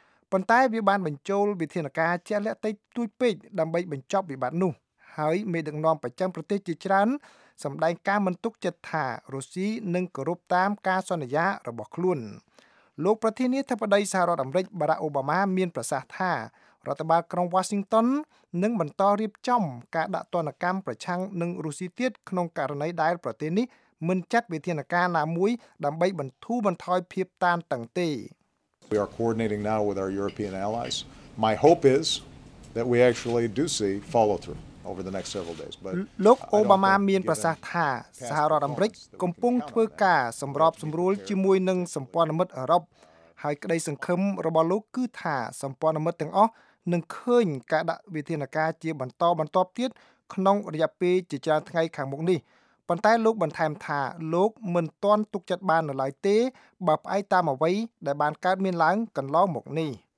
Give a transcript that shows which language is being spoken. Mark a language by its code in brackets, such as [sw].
[km] ប៉ុន្តែវាបានបញ្ចូលវិធានការជាក់លាក់តិចតួចពេកដើម្បីបញ្ចប់វិបត្តិនោះហើយមេដឹកនាំប្រចាំប្រទេសជាច្រើនសម្ដែងការមិនទុកចិត្តថារុស្ស៊ីនឹងគោរពតាមការសន្យារបស់ខ្លួនលោកប្រធានាធិបតីសហរដ្ឋអាមេរិកបារ៉ាក់អូបាម៉ាមានប្រសាសន៍ថារដ្ឋបាលក្រុង Washington នឹងបន្តរៀបចំការដាក់ទណ្ឌកម្មប្រឆាំងនឹងរុស្ស៊ីទៀតក្នុងករណីដែលប្រទេសនេះមិនចាត់វិធានការណាមួយដើម្បីបន្ធូរបន្ថយភាពតានតឹងទេ [en] We are coordinating now with our European allies. My hope is that we actually do see follow through over the next several days. [km] But លោកអូបាម៉ាមានប្រសាសន៍ថាសហរដ្ឋអាមេរិកកំពុងធ្វើការសម្របសម្រួលជាមួយនឹងសម្ព័ន្ធមិត្តអឺរ៉ុបហើយក្តីសង្ឃឹមរបស់លោកគឺថាសម្ព័ន្ធមិត្តទាំងអស់នឹងឃើញការដាក់វិធានការជាបន្តបន្ទាប់ទៀតក្នុងរយៈពេលជាច្រើនថ្ងៃខាងមុខនេះប៉ុន្តែលោកបន្ថែមថាលោកមិនទាន់ទុកចិត្តបាននៅឡើយទេបើផ្អែកតាមអ្វីដែលបានកើតមានឡើងកន្លងមកនេះ